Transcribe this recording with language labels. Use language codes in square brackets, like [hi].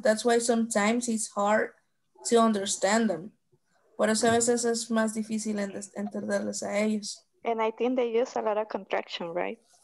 [en] That's why sometimes it's hard to understand them. [es] Por eso a veces es más difícil entenderles a ellos. [en] And I think they use a lot of contraction, right?